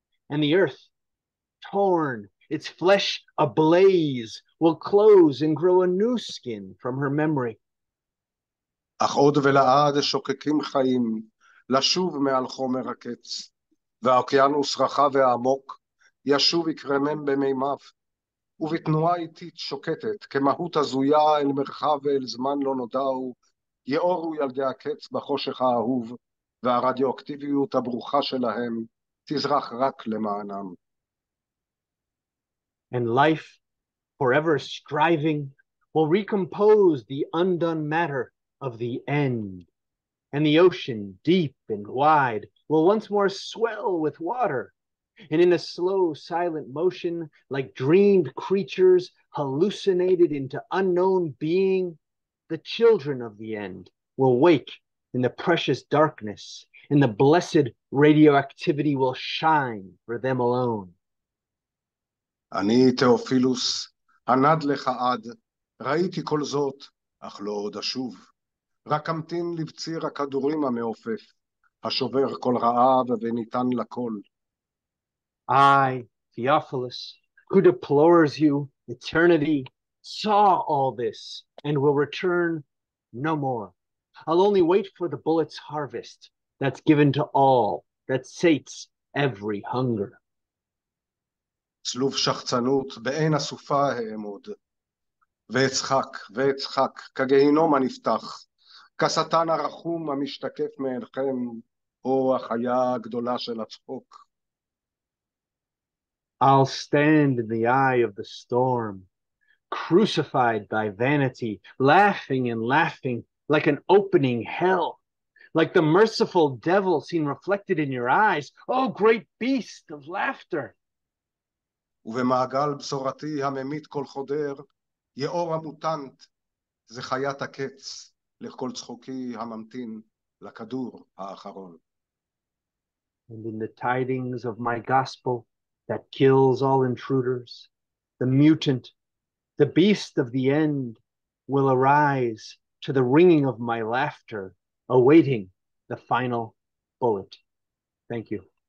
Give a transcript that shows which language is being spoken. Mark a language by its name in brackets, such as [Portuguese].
[English] And the earth, torn, its flesh ablaze, will close and grow a new skin from her memory. [Hebrew] אך עוד ולעד שוקקים חיים, לשוב מעל חומר הקץ, והאוקיינוס רחב ועמוק, ישוב יקרמם במימיו, ובתנועה איטית שוקטת, כמהות הזויה אל מרחב ואל זמן לא נודעו, יאורו ילדי הקץ בחושך האהוב, והרדיואקטיביות הברוכה שלהם תזרח רק למענם. [English] And life, forever striving, will recompose the undone matter of the end. And the ocean, deep and wide, will once more swell with water. And in a slow, silent motion, like dreamed creatures hallucinated into unknown being, the children of the end will wake in the precious darkness, and the blessed radioactivity will shine for them alone. [Hebrew] אני תאופילוס, הנד לך עד, ראיתי כל זאת, אך לא עוד אשוב. רק אמתין לבציר הכדורים המעופף, השובר כל רעב וניתן לכל. [English] I, Theophilus, who deplores you, eternity, saw all this, and will return no more. I'll only wait for the bullet's harvest that's given to all, that sates every hunger. [Hebrew] צלוב שחצנות בעין הסופה העמוד, ואצחק, ואצחק, כגהינום הנפתח, כשטן הרחום המשתקף מעינכם, או החיה הגדולה של הצחוק. [English] I'll stand in the eye of the storm, crucified by vanity, laughing and laughing like an opening hell, like the merciful devil seen reflected in your eyes, O great beast of laughter. [Hebrew] ובמעגל בשורתי הממית כל חודר, יאור המוטנט, זה חיית הקץ, לכל צחוקי הממתין, לכדור האחרון. [English] And in the tidings of my gospel that kills all intruders, the mutant, the beast of the end, will arise to the ringing of my laughter, awaiting the final bullet. Thank you.